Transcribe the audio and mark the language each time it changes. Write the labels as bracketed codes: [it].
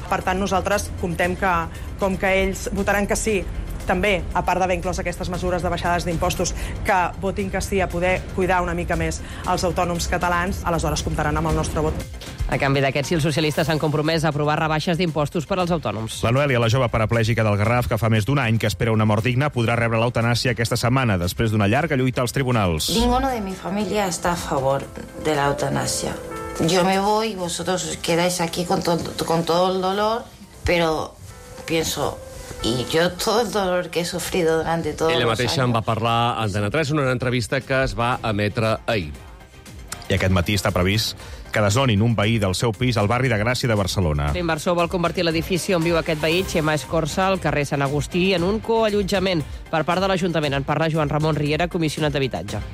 [ca] Per tant, nosaltres comptem que, com que ells votaran que sí, també, a part d'haver inclòs aquestes mesures de baixades d'impostos, que votin que sí a poder cuidar una mica més els autònoms catalans, aleshores comptaran amb el nostre vot. A canvi d'aquests, si els socialistes s'han compromès a aprovar rebaixes d'impostos per als autònoms. La Noelia, la jove paraplègica del Garraf, que fa més d'un any que espera una mort digna, podrà rebre l'eutanàsia aquesta setmana, després d'una llarga lluita als tribunals. [es] Ninguno de mi familia está a favor de la eutanàsia. Yo me voy, vosotros os quedáis aquí con todo el dolor, pero pienso... Y yo todo el dolor que he sufrido durante todos los años... [ca] Ella mateixa en va parlar a Antena 3 en una entrevista que es va emetre ahir. I aquest matí està previst que desnonin un veí del seu pis al barri de Gràcia de Barcelona. L'inversor vol convertir l'edifici on viu aquest veí, Xema Escorça, al carrer Sant Agustí, en un coallotjament per part de l'Ajuntament. En parla Joan Ramon Riera, comissionat d'habitatge.